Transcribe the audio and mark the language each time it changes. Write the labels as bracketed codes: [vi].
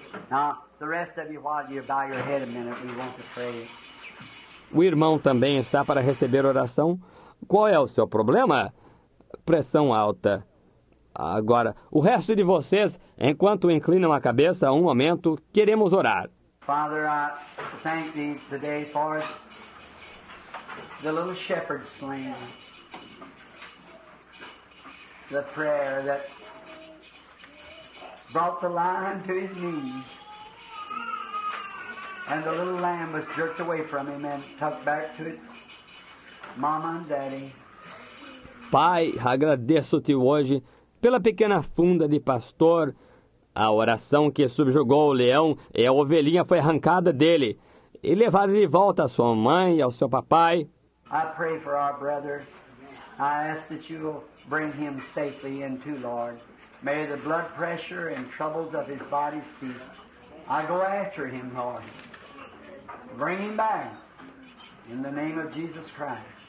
[en] Now, the rest of you, while you bow your head a minute, we want to pray. [pt] O irmão também está para receber oração. Qual é o seu problema? Pressão alta. Agora, o resto de vocês, enquanto inclinam a cabeça, um momento, queremos orar. [en] Father, I thank thee today for the little shepherd slain. The prayer that brought the lion to his knees. And the little lamb was jerked away from him and tucked back to its mama and daddy. [pt] Pai, agradeço-te hoje pela pequena funda de pastor, a oração que subjugou o leão e a ovelhinha foi arrancada dele e levada de volta à sua mãe e ao seu papai. [en] I pray for our brother. I ask that you will bring him safely in too, Lord. May the blood pressure and troubles of his body cease. I go after him, Lord. Bring him back in the name of Jesus Christ.